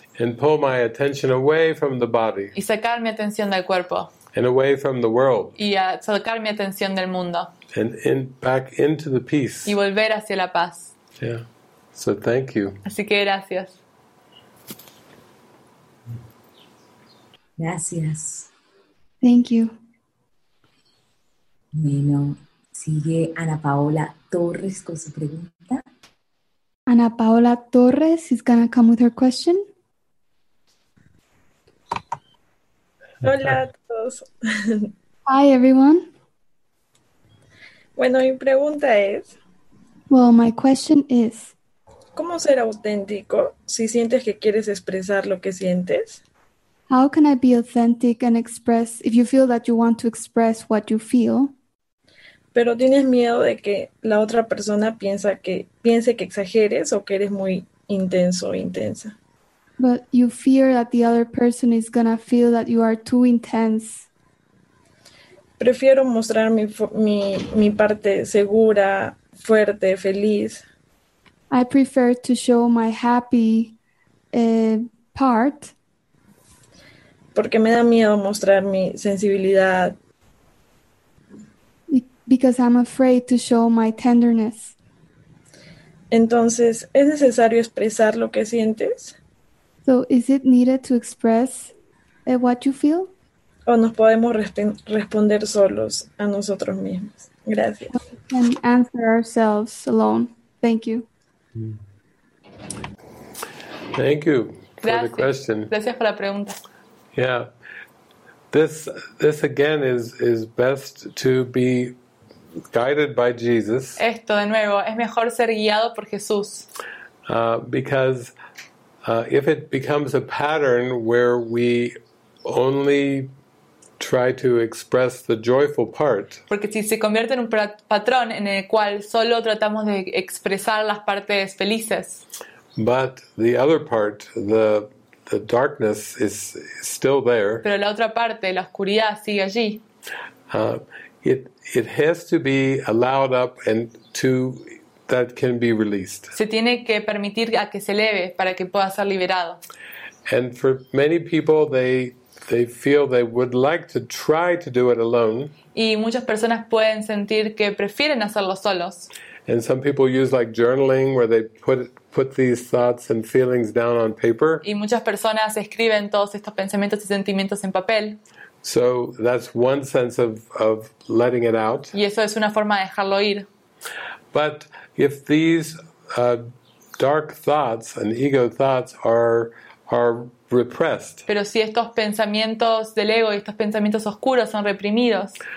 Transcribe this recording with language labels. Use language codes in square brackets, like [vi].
[en] And pull my attention away from the body. [es] Y sacar mi atención del cuerpo. [en] And away from the world. [es] Y sacar mi atención del mundo. [en] And in back into the peace. [es] Y volver hacia la paz. [en] Yeah. So thank you. [es] Así que gracias. Gracias. [en] Thank you. [es] Bueno, sigue Ana Paola Torres con su pregunta. [en] Ana Paola Torres is going to come with her question. [es] Hola a todos. [en] Hi, everyone. [es] Bueno, mi pregunta es... [en] Well, my question is... [es] ¿Cómo ser auténtico si sientes que quieres expresar lo que sientes? [en] How can I be authentic and express if you feel that you want to express what you feel? [es] Pero tienes miedo de que la otra persona piense que exageres o que eres muy intenso o intensa. [en] But you fear that the other person is gonna feel that you are too intense. [es] Prefiero mostrar mi parte segura, fuerte, feliz. [en] I prefer to show my happy part. [es] Porque me da miedo mostrar mi sensibilidad. [en] Because I'm afraid to show my tenderness. [es] Entonces, ¿es necesario expresar lo que sientes? [en] So, is it needed to express what you feel? [es] ¿O nos podemos responder solos a nosotros mismos? Gracias. [en] We can answer ourselves alone. Thank you. Thank you for the question. [es] Gracias por la pregunta. [en] Yeah, this again is best to be guided by Jesus. [es] Esto de nuevo es mejor ser guiado por Jesús. [en] Because if it becomes a pattern where we only try to express the joyful part. [es] Porque si se convierte en un patrón en el cual solo tratamos de expresar las partes felices. [en] But the other part, the darkness is still there. [es] Pero la otra parte, la oscuridad, sigue allí. [en] It has to be allowed up and to that can be released. [es] Se tiene que permitir a que se eleve para que pueda ser liberado. [en] And for many people, they feel they would like to try to do it alone. [es] Y muchas personas pueden sentir que prefieren hacerlo solos. [en] And some people use like journaling where they put these thoughts and feelings down on paper. [es] Y muchas personas escriben todos estos pensamientos y sentimientos en papel. [en] So that's one sense of letting it out. [es] Y eso es una forma de dejarlo ir. [en] But if these dark thoughts and ego thoughts are repressed. [es] Pero si estos pensamientos del ego y estos pensamientos oscuros son reprimidos.